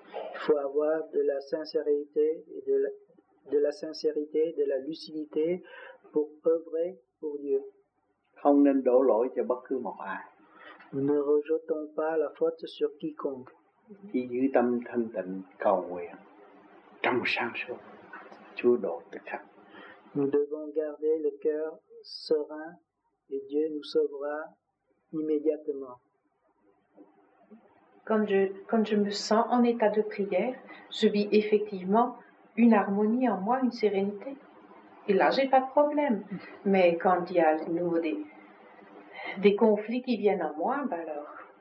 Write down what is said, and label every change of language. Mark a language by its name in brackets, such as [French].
[French] Il faut avoir de la sincérité et de la sincérité, de la lucidité pour œuvrer pour Dieu. [Vietnamese] Không nên đổ lỗi cho bất cứ một ai. [French] Nous ne rejetons pas la faute sur quiconque. [Vietnamese] Chỉ giữ tâm thanh tịnh cầu nguyện trong sáng suốt, Chúa độ tất cả. [French] Nous devons garder le cœur serein et Dieu nous sauvera immédiatement. Quand je me sens en état de prière, je vis effectivement une harmonie en moi, une sérénité. Et là, j'ai pas de problème. Mais quand il y a de nouveau des conflits qui viennent en moi, ben alors.